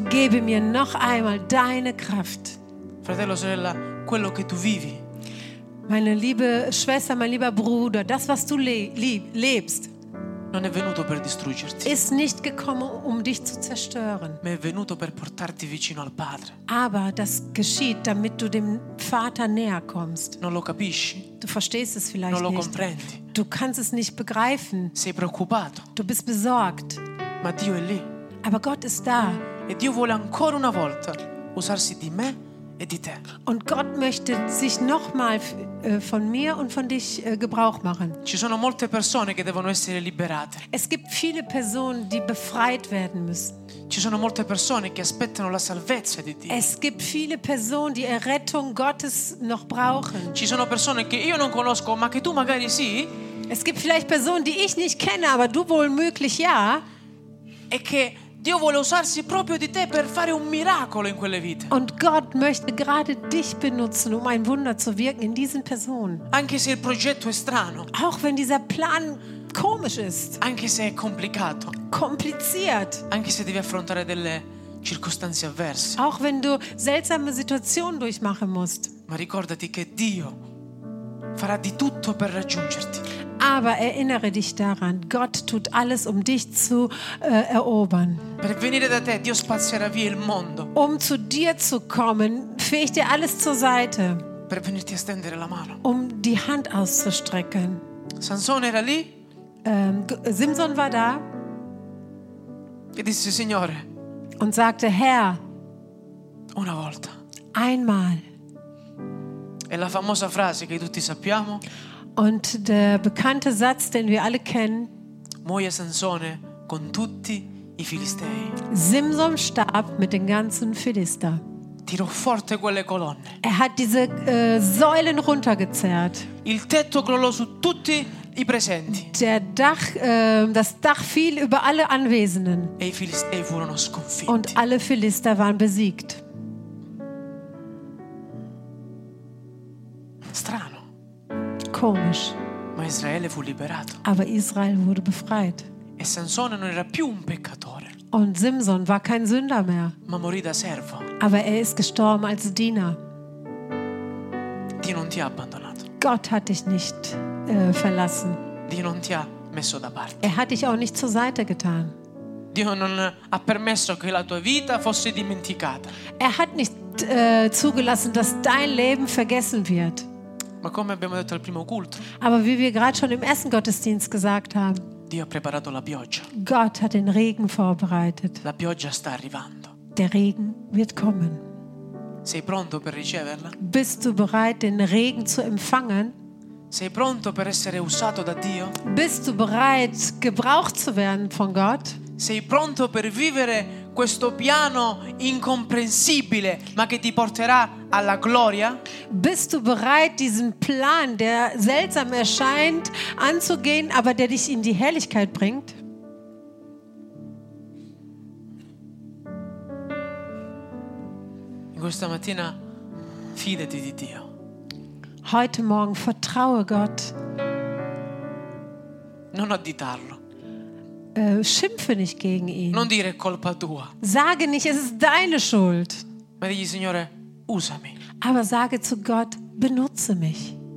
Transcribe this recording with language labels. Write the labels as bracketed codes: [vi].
[de] Gebe mir noch einmal deine Kraft. [it] Fratello, sorella, quello che tu vivi. [de] Meine liebe Schwester, mein lieber Bruder, das, was du lebst, [it] non è venuto per distruggerti, [de] ist nicht gekommen, um dich zu zerstören. [it] Ma è venuto per portarti vicino al Padre. [de] Aber das geschieht, damit du dem Vater näher kommst. [it] Non lo capisci? [de] Du verstehst es vielleicht [it] non lo [de] nicht. [it] Comprendi. [de] Du kannst es nicht begreifen. [it] Sei preoccupato. [de] Du bist besorgt. [it] Ma Dio è lì. [de] Aber Gott ist da. [it] E Dio vuole ancora una volta usarsi di me. [de] Und Gott möchte sich nochmal von mir und von dich Gebrauch machen. [it] Ci sono molte persone che devono essere liberate. [de] Es gibt viele Personen, die befreit werden müssen. [it] Ci sono molte persone che aspettano la salvezza di Dio. [de] Es gibt viele Personen, die Errettung Gottes noch brauchen. [it] Ci sono persone che io non conosco, ma che tu magari sì. [de] Es gibt vielleicht Personen, die ich nicht kenne, aber du wohl möglich ja. [it] E che Dio vuole usarsi proprio di te per fare un miracolo in quelle vite. [de] Und Gott möchte gerade dich benutzen, um ein Wunder zu wirken in diesen Personen. [it] Anche se il progetto è strano. [de] Auch wenn dieser Plan komisch ist. [it] Anche se è complicato. [de] Kompliziert. [it] Anche se devi affrontare delle circostanze avverse. [de] Auch wenn du seltsame Situationen durchmachen musst. [it] Ma ricordati che Dio farà di tutto per raggiungerti. [de] Aber erinnere dich daran, Gott tut alles, um dich zu erobern. [it] Per venire da te, Dio spazzerà via il mondo. [de] Um zu dir zu kommen, fegt er alles zur Seite. [it] Per venirti a stendere la mano. [de] Um die Hand auszustrecken. [it] Sansone era lì. [de] Simson war da. [it] E disse, Signore. [de] Und sagte, Herr. [it] Una volta. [de] Einmal. [it] E la famosa frase che tutti sappiamo. [de] Und der bekannte Satz, den wir alle kennen. [it] Muoia Sansone con tutti i Filistei. [de] Simson starb mit den ganzen Philister. [it] Tirò forte quelle colonne. [de] Er hat diese Säulen runtergezerrt. [it] Il tetto crollò su tutti i presenti. [de] Das Dach fiel über alle Anwesenden. [it] E i Filistei furono sconfitti. [de] Und alle Philister waren besiegt. [it] Strano. [de] Komisch. [it] Ma Israele fu liberato. [de] Aber Israel wurde befreit. [it] E Sansone non era più un peccatore. [de] Und Simson war kein Sünder mehr. [it] Ma morì da servo. [de] Aber er ist gestorben als Diener. [it] Dio non ti ha abbandonato. [de] Gott hat dich nicht verlassen. [it] Dio non ti ha messo da parte. [de] Er hat dich auch nicht zur Seite getan. [it] Dio non ha permesso che la tua vita fosse dimenticata. [de] Er hat nicht zugelassen, dass dein Leben vergessen wird. [it] Ma come abbiamo detto al primo culto? [de] Aber wie wir gerade schon im ersten Gottesdienst gesagt haben. [it] Dio ha preparato la pioggia. [de] Gott hat den Regen vorbereitet. [it] La pioggia sta arrivando. [de] Der Regen wird kommen. [it] Sei pronto per riceverla? [de] Bist du bereit, den Regen zu empfangen? [it] Sei pronto per essere usato da Dio? [de] Bist du bereit, gebraucht zu werden von Gott? [it] Sei pronto per vivere questo piano incomprensibile, ma che ti porterà alla gloria? [de] Bist du bereit, diesen Plan, der seltsam erscheint, anzugehen, aber der dich in die Herrlichkeit bringt? [it] In questa mattina fidati di Dio. [de] Heute Morgen vertraue Gott. [it] Non additarlo. [de] Schimpfe nicht gegen ihn. [it] Non dire colpa tua. [de] Sage nicht, es ist deine Schuld. [it] Ma digli, Signore, usami. [de] Aber sage zu Gott, benutze mich.